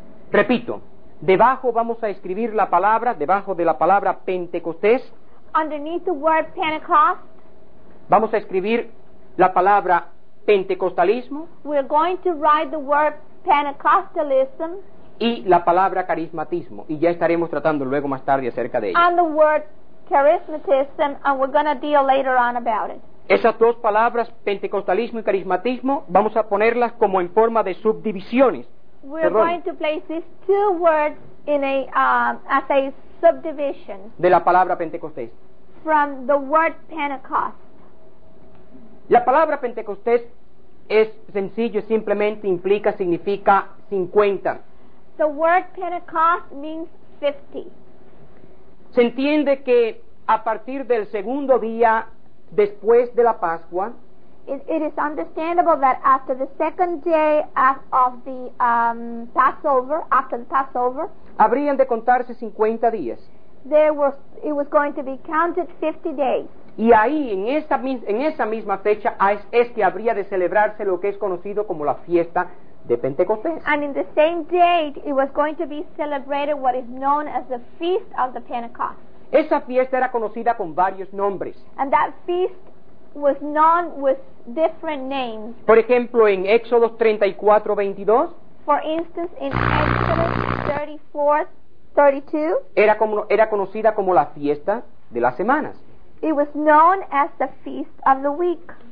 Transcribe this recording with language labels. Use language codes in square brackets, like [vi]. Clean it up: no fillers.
[es] Repito, debajo vamos a escribir la palabra, debajo de la palabra Pentecostés. [en] Underneath the word Pentecost. [es] Vamos a escribir la palabra Pentecostalismo. [en] We're going to write the word Pentecostalism. [es] Y la palabra carismatismo, y ya estaremos tratando luego más tarde acerca de ello. [en] And the word charismatism, and we're going to deal later on about it. [es] Esas dos palabras, pentecostalismo y carismatismo, vamos a ponerlas como en forma de subdivisiones. [en] We're going to place these two words in a as a subdivision. [es] De la palabra Pentecostés. [en] From the word Pentecost. [es] La palabra Pentecostés es sencillo, simplemente implica, significa 50. [en] The word Pentecost means 50. [es] Se entiende que a partir del segundo día después de la Pascua. [en] It is understandable that after the second day of the Passover, after the Passover, [es] habrían de contarse 50 días. [en] It was going to be counted 50 days. [es] Y ahí, en esa misma fecha, es que habría de celebrarse lo que es conocido como la fiesta de Pentecostés. [en] And in the same date it was going to be celebrated what is known as the Feast of the Pentecost. [es] Esa fiesta era conocida con varios nombres. [en] And that feast was known with different names. [es] Por ejemplo, en Éxodo 34:22. [en] For instance, in Exodus 34:32. [es] Era conocida como la fiesta de las semanas. [en] It was known as the Feast of the Week.